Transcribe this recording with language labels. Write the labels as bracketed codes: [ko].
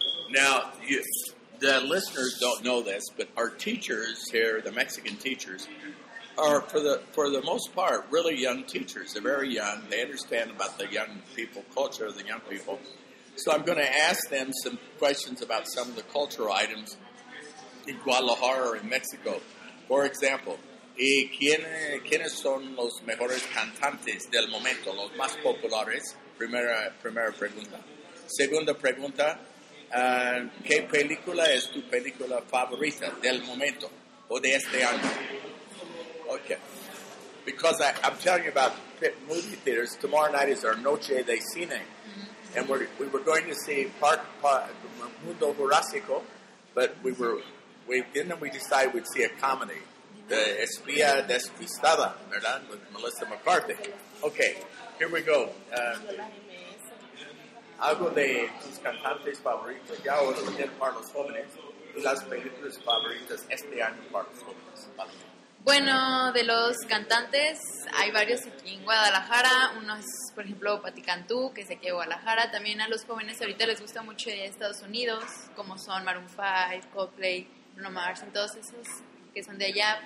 [en] Now, the listeners don't know this, but our teachers here, the Mexican teachers, are, for the most part, really young teachers. They're very young. They understand about the young people, culture of the young people. So I'm going to ask them some questions about some of the cultural items in Guadalajara or in Mexico. [es] For example, ¿y quiénes son los mejores cantantes del momento, los más populares? Primera pregunta. Segunda pregunta, ¿qué película es tu película favorita del momento o de este año? [en] Okay. Because I'm telling you about movie theaters, tomorrow night is our Noche de Cine. And we were going to see Mundo Jurásico, but we decided we'd see a comedy, the Espía Despistada, ¿verdad? With Melissa McCarthy. Okay, here we go. [es] Algo de tus cantantes favoritos, ya o de para los jóvenes, y las películas favoritas este año para los jóvenes. Bueno, de los cantantes, hay varios aquí en Guadalajara. Uno es, por ejemplo, Paty Cantú, que es de aquí de Guadalajara. También a los jóvenes ahorita les gusta mucho de Estados Unidos, como son Maroon 5, Coldplay, Bruno Mars, y todos esos que son de allá.